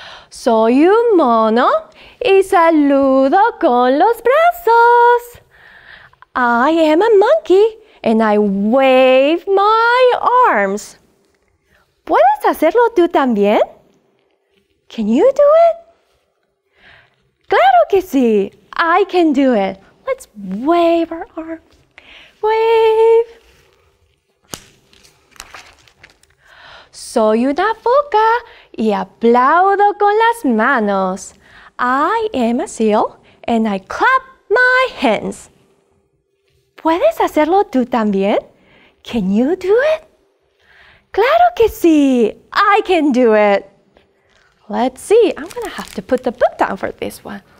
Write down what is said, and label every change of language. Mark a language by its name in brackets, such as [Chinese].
[Spanish] Soy un mono y saludo con los brazos. [English] I am a monkey and I wave my arms. [Spanish] ¿Puedes hacerlo tú también? [English] Can you do it? [Spanish] Claro que sí. [English] I can do it. Let's wave our arms. Wave. [Spanish] Soy una foca y aplaudo con las manos. [English] I am a seal and I clap my hands. [Spanish] ¿Puedes hacerlo tú también? [English] Can you do it? [Spanish] Claro que sí. [English] I can do it. Let's see. I'm going to have to put the book down for this one.